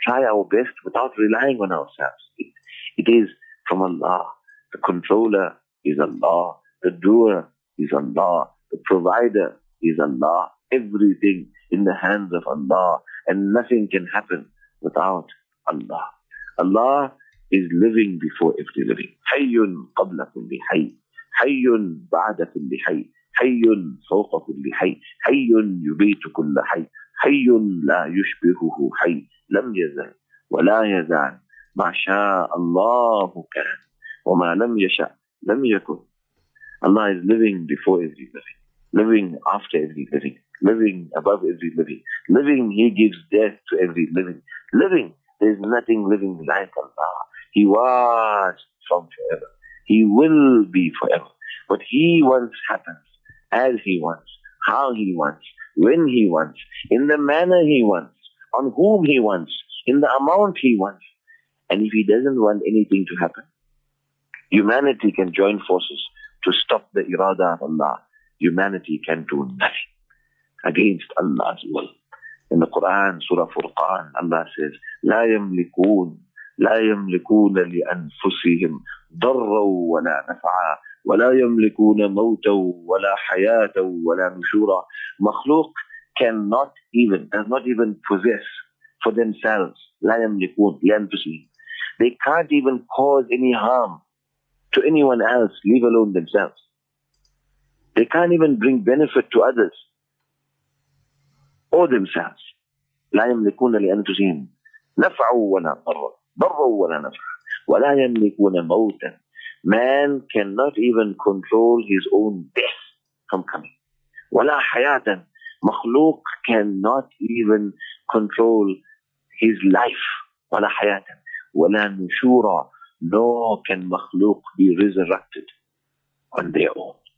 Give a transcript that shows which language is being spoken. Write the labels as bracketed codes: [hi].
[en] Try our best without relying on ourselves. It is from Allah. The controller is Allah. The doer is Allah. The provider is Allah. Everything in the hands of Allah. And nothing can happen without Allah. Allah is living before every living. [ar] حَيٌّ قَبْلَ كُلِّ حَيٍّ حَيٌّ بَعْدَ كُلِّ حَيٍّ حَيٌّ فَوْقَ كُلِّ حَيٍّ حَيٌّ يُبِيتُ كُلَّ حَيٍّ حي لا يشبهه حي لم يزل ولا يزال ما شاء الله كان وما لم يشاء لم يكن. [en] Allah is living before every living, living after every living, living above every living, living. He gives death to every living. Living, there is nothing living like Allah. He was from forever. He will be forever. What He wants happens as He wants, how He wants, when He wants, in the manner He wants, on whom He wants, in the amount He wants. And if He doesn't want anything to happen, humanity can join forces to stop the irada of Allah. Humanity can do nothing against Allah's will. In the Quran, Surah Furqan, Allah says, [ar] لا يملكون لأنفسهم ضرا ولا نفعا ولا يملكون موتا ولا حياة ولا نشورا. [en] مخلوق does not even possess for themselves. [ar] لا يملكون لأنفسهم. [en] They can't even cause any harm to anyone else, leave alone themselves. They can't even bring benefit to others or themselves. [ar] لا يملكون لأنفسهم نفعا ولا ضرا ضرا ولا نفعا ولا يملكون موتا. [en] Man cannot even control his own death from coming. [ar] وَلَا حَيَاتًا. [en] مخلوق cannot even control his life. [ar] وَلَا حَيَاتًا. وَلَا نُشُورًا. [en] Nor can مخلوق be resurrected on their own.